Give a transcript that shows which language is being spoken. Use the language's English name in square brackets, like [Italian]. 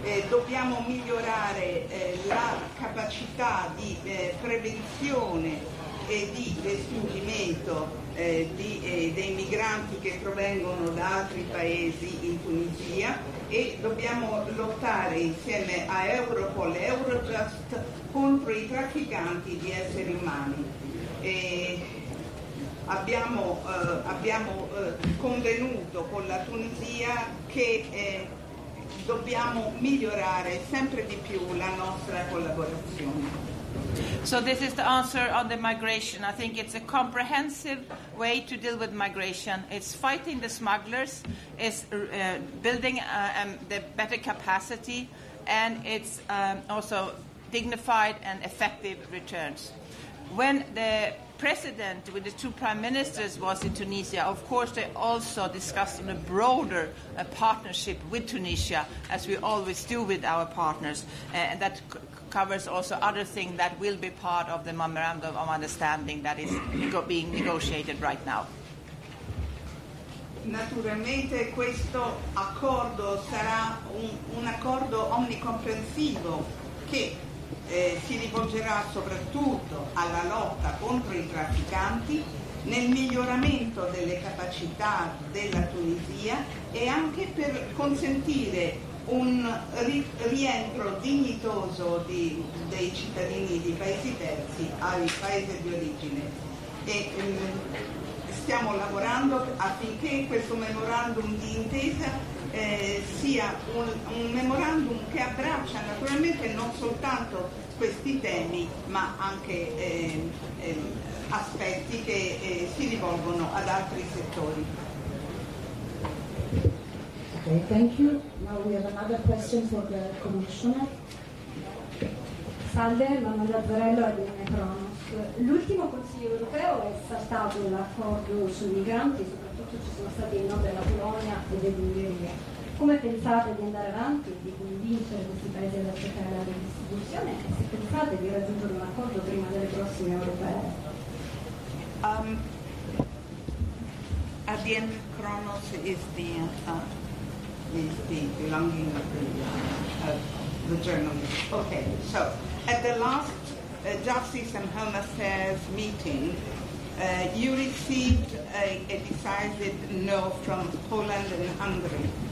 [Italian] Dobbiamo migliorare la capacità di prevenzione e di respingimento dei migranti che provengono da altri paesi in Tunisia, e dobbiamo lottare insieme a Europol e Eurojust contro i trafficanti di esseri umani. E abbiamo convenuto con la Tunisia che dobbiamo migliorare sempre di più la nostra collaborazione. [English] So this is the answer on the migration. I think it's a comprehensive way to deal with migration. It's fighting the smugglers, it's building the better capacity, and it's also dignified and effective returns. When the president with the two prime ministers was in Tunisia, of course they also discussed a broader partnership with Tunisia, as we always do with our partners, and that covers also other things that will be part of the memorandum of understanding that is being negotiated right now. [Italian] Naturalmente questo accordo sarà un accordo omnicomprensivo che si rivolgerà soprattutto alla lotta contro i trafficanti, nel miglioramento delle capacità della Tunisia e anche per consentire un rientro dignitoso dei cittadini di paesi terzi ai paesi di origine. E stiamo lavorando affinché questo memorandum di intesa sia un memorandum che abbraccia naturalmente non soltanto questi temi, ma anche aspetti che si rivolgono ad altri settori. [English] Okay, thank you. Now we have another question for the commissioner. [Italian] Salve, Manuel Lazzarello, Adine Cronos. L'ultimo Consiglio europeo è saltato l'accordo sui migranti, soprattutto ci sono stati i no della Polonia e dell'Ungheria. Come pensate di andare avanti e di convincere questi paesi ad accettare la redistribuzione? E se pensate di raggiungere un accordo prima delle prossime europee? [English] Adine Cronos is the belonging of the journalist. Okay, so at the last Justice and Home Affairs meeting, you received a decided no from Poland and Hungary.